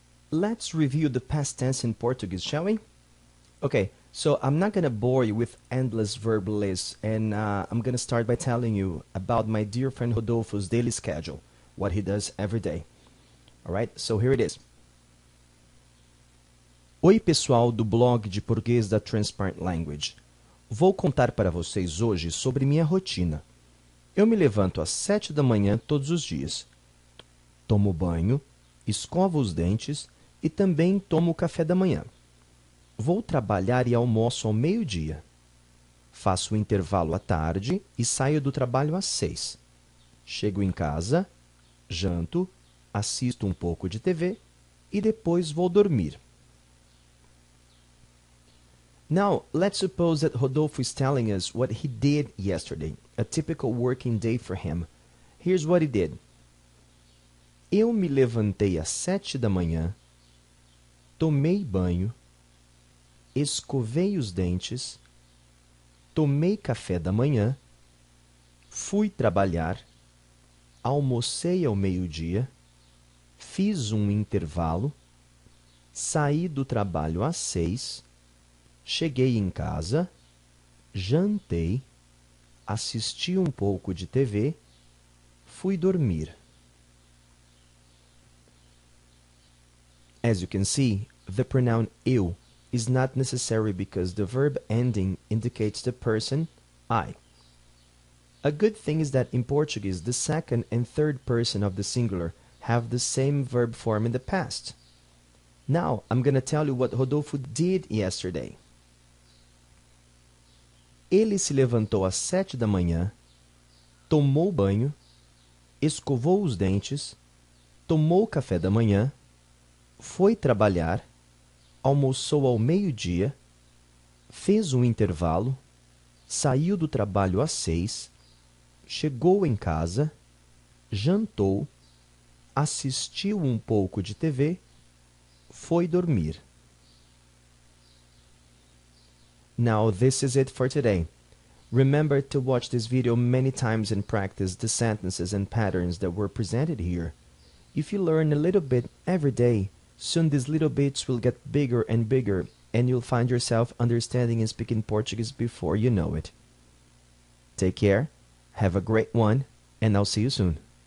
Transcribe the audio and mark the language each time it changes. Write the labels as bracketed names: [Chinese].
[English] Let's review the past tense in Portuguese, shall we? Okay, so I'm not gonna bore you with endless verb lists, and I'm gonna start by telling you about my dear friend Rodolfo's daily schedule, what he does every day. Alright, so here it is. [Portuguese] Oi, pessoal do blog de português da Transparent Language. Vou contar para vocês hoje sobre minha rotina. Eu me levanto às 7 da manhã todos os dias. Tomo banho, escovo os dentes e também tomo o café da manhã. Vou trabalhar e almoço ao meio-dia. Faço o intervalo à tarde e saio do trabalho às 6. Chego em casa, janto, assisto um pouco de TV e depois vou dormir. [English] Now, let's suppose that Rodolfo is telling us what he did yesterday, a typical working day for him. Here's what he did. [Portuguese] Eu me levantei às 7 da manhã, tomei banho, escovei os dentes, tomei café da manhã, fui trabalhar, almocei ao meio-dia, fiz um intervalo, saí do trabalho às 6, cheguei em casa, jantei, assisti um pouco de TV, fui dormir. [English] As you can see, the pronoun eu is not necessary because the verb ending indicates the person, I. A good thing is that in Portuguese, the second and third person of the singular have the same verb form in the past. Now, I'm going to tell you what Rodolfo did yesterday. [Portuguese] Ele se levantou às 7 da manhã, tomou banho, escovou os dentes, tomou café da manhã, foi trabalhar, almoçou ao meio-dia, fez um intervalo, saiu do trabalho às 6, chegou em casa, jantou, assistiu um pouco de TV, foi dormir. [English] Now, this is it for today. Remember to watch this video many times and practice the sentences and patterns that were presented here. If you learn a little bit every day, soon these little bits will get bigger and bigger, and you'll find yourself understanding and speaking Portuguese before you know it. Take care, have a great one, and I'll see you soon.